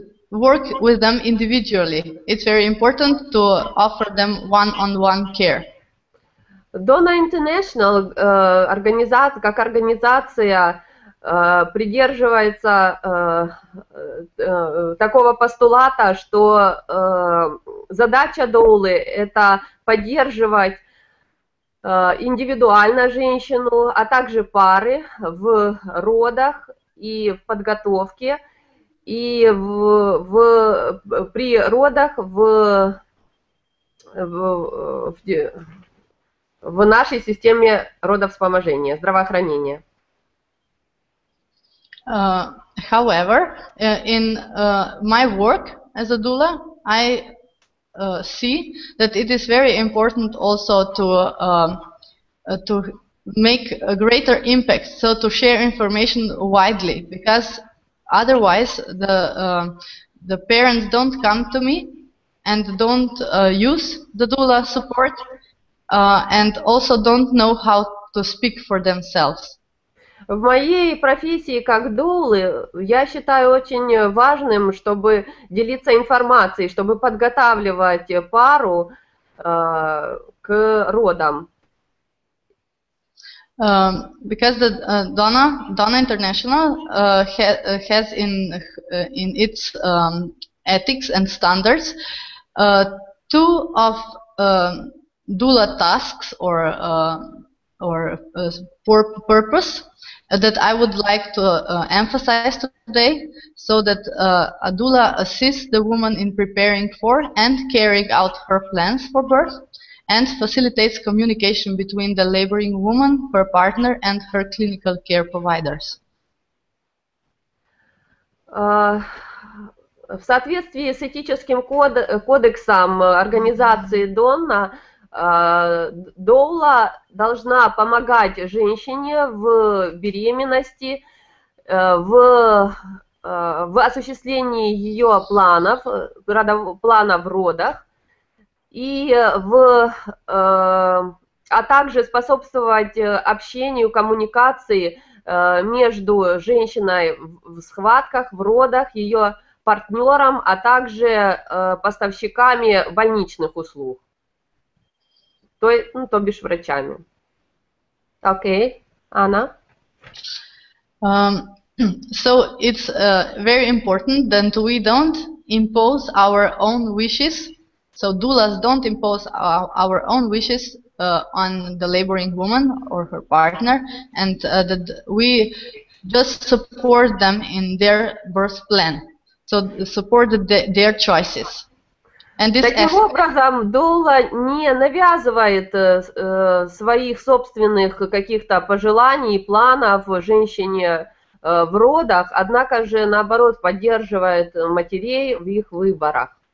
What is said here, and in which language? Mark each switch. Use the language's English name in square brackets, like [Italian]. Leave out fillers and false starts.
[English] Work with them individually. It's very important to offer them one-on-one care. [Russian] Donna International, как организация, придерживается такого постулата, что задача доулы – это поддерживать индивидуально женщину, а также пары в родах и в подготовке, и при родах в нашей системе родовспоможения, здравоохранения. [English] However, in my work as a doula, I see that it is very important also to make a greater impact, so to share information widely, because otherwise the parents don't come to me and don't use the doula support and also don't know how to speak for themselves. [Russian] В моей профессии как доулы я считаю очень важным, чтобы делиться информацией, чтобы подготавливать пару к родам. [English] Because the Donna International has in its ethics and standards two of doula tasks or purpose that I would like to emphasize today, so that a doula assists the woman in preparing for and carrying out her plans for birth, and facilitates communication between the laboring woman, her partner, and her clinical care providers. [Russian] В соответствии с этическим кодексом организации Донна, доула должна помогать женщине в беременности, в осуществлении ее планов, планов родах, и а также способствовать общению, коммуникации между женщиной в схватках, в родах, ее партнером, а также поставщиками больничных услуг, то бишь врачами. Окей, Анна. [English] So it's very important that we don't impose our own wishes. So doulas don't impose our own wishes on the laboring woman or her partner, and that we just support them in their birth plan. So support their choices. And this [Russian] таким образом, доула не навязывает своих собственных каких-то пожеланий, планов женщине в родах, однако же, наоборот, поддерживает матерей в их выборах.